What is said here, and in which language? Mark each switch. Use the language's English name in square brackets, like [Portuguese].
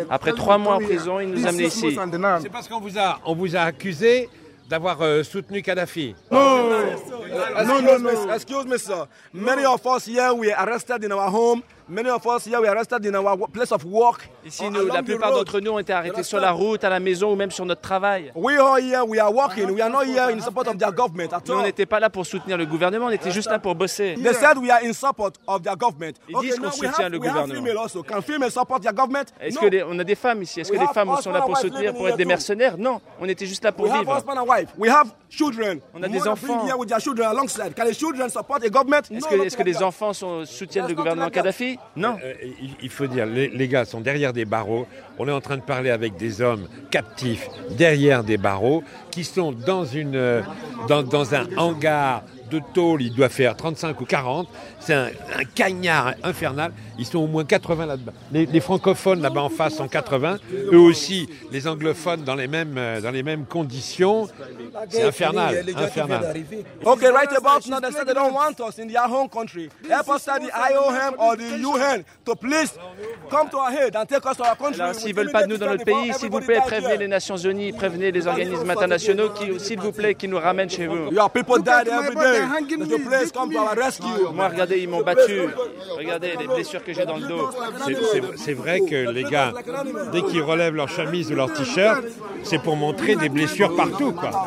[French] Après 3 mois en prison, ils nous ont amenés ici. C'est parce qu'on vous a, accusé d'avoir soutenu Kadhafi. [English] No, excuse me, sir. Many of us here we are arrested in our home. Many of us here we are arrested in our place of work. [French] Ici, nous, la plupart d'entre nous ont été arrêtés sur la route, à la maison ou même sur notre travail. [English] We are here, we are working. We are not here in support of their government at all. [French] Nous, on n'était pas là pour soutenir le gouvernement. On était juste là pour bosser. [English] They said we are in support of their government. [French] Ils disent qu'on soutient le gouvernement. [English] We have female also. Can female support their government? [French] Est-ce que on a des femmes ici? Est-ce que des femmes sont là pour soutenir, pour être des mercenaires? Non, on était juste là pour vivre. [English] We have husband and wife. We have children. [French] On a des enfants. [English] Here with their children alongside. Can the children support the government? [French] Est-ce que les enfants soutiennent le gouvernement Kadhafi? Non. Il faut dire, les gars sont derrière des barreaux. On est en train de parler avec des hommes captifs derrière des barreaux qui sont dans un hangar de tôle, il doit faire 35 ou 40. C'est un cagnard infernal. Ils sont au moins 80 là-dedans. Les francophones là-bas en face sont 80. Eux aussi, les anglophones dans les mêmes conditions. C'est infernal, infernal. [English] Ok, right about now, they said they don't want us in their home country. Help us at the IOM or the UN to please come to our head and take us to our country. [French] Alors, s'ils ne veulent pas de nous dans notre pays, s'il vous plaît, prévenez les Nations Unies, prévenez les organismes internationaux qui, s'il vous plaît, qui nous ramènent chez vous. [English] Your people died every day. The police come to our rescue. [French] Moi, regardez, ils m'ont battu. Regardez les blessures que j'ai dans le dos. C'est vrai que les gars, dès qu'ils relèvent leur chemise ou leur t-shirt, c'est pour montrer des blessures partout, quoi.